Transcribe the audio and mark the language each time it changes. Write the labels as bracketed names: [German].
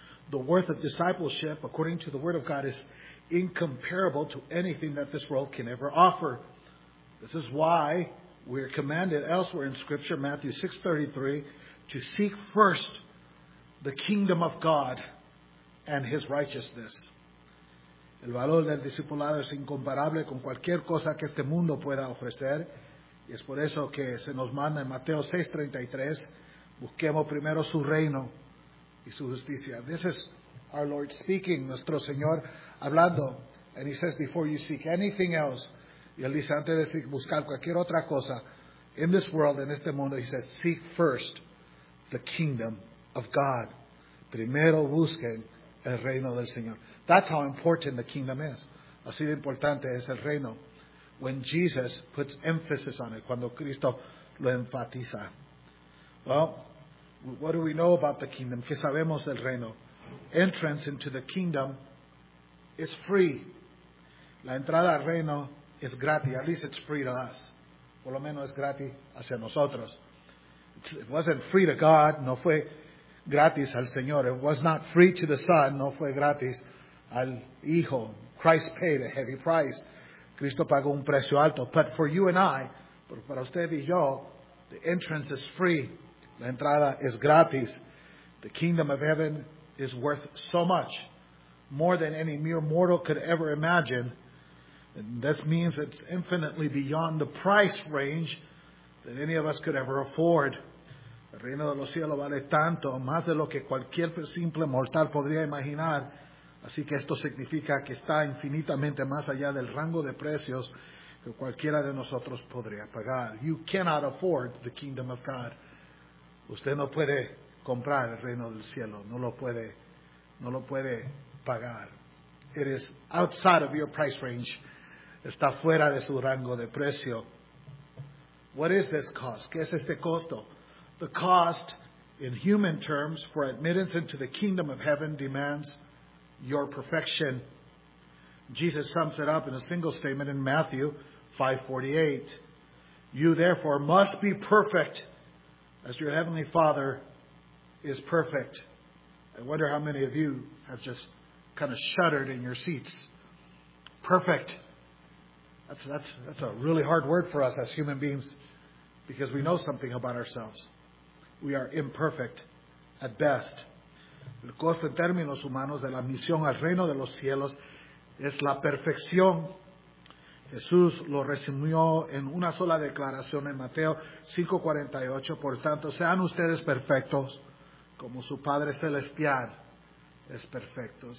[English] The worth of discipleship, according to the word of God, is incomparable to anything that this world can ever offer. This is why we are commanded elsewhere in Scripture, Matthew 6:33, to seek first the kingdom of God and his righteousness. [Spanish] El valor del discipulado es incomparable con cualquier cosa que este mundo pueda ofrecer. Y es por eso que se nos manda en Mateo 6:33, busquemos primero su reino y su justicia. [English] This is our Lord speaking, [Spanish] nuestro Señor hablando. [English] And he says, before you seek anything else, [Spanish] y él dice, antes de buscar cualquier otra cosa, [English] in this world, [Spanish] en este mundo, [English] he says, seek first the kingdom of God. [Spanish] Primero busquen el reino del Señor. [English] That's how important the kingdom is. [Spanish] Así de importante es el reino. [English] When Jesus puts emphasis on it, [Spanish] cuando Cristo lo enfatiza. [English] Well, what do we know about the kingdom? [Spanish] ¿Qué sabemos del reino? [English] Entrance into the kingdom is free. [Spanish] La entrada al reino es gratis. [English] At least it's free to us. [Spanish] Por lo menos es gratis hacia nosotros. [English] It wasn't free to God. [Spanish] No fue gratis al Señor. [English] It was not free to the Son. [Spanish] No fue gratis al Hijo. [English] Christ paid a heavy price. [Spanish] Cristo pagó un precio alto. [English] But for you and I, [Spanish] para usted y yo, [English] the entrance is free. [Spanish] La entrada es gratis. [English] The kingdom of heaven is worth so much, more than any mere mortal could ever imagine. And this means it's infinitely beyond the price range that any of us could ever afford. [Spanish] El reino de los cielos vale tanto, más de lo que cualquier simple mortal podría imaginar. Así que esto significa que está infinitamente más allá del rango de precios que cualquiera de nosotros podría pagar. [English] You cannot afford the kingdom of God. [Spanish] Usted no puede comprar el reino del cielo. No lo puede pagar. [English] It is outside of your price range. [Spanish] Está fuera de su rango de precio. [English] What is this cost? [Spanish] ¿Qué es este costo? [English] The cost, in human terms, for admittance into the kingdom of heaven demands your perfection. Jesus sums it up in a single statement in Matthew 5:48. You therefore must be perfect as your heavenly Father is perfect. I wonder how many of you have just kind of shuddered in your seats. Perfect. That's a really hard word for us as human beings, because we know something about ourselves. We are imperfect at best. [Spanish] El costo en términos humanos de la misión al reino de los cielos es la perfección. Jesús lo resumió en una sola declaración en Mateo 5:48. Por tanto, sean ustedes perfectos como su Padre Celestial es perfecto.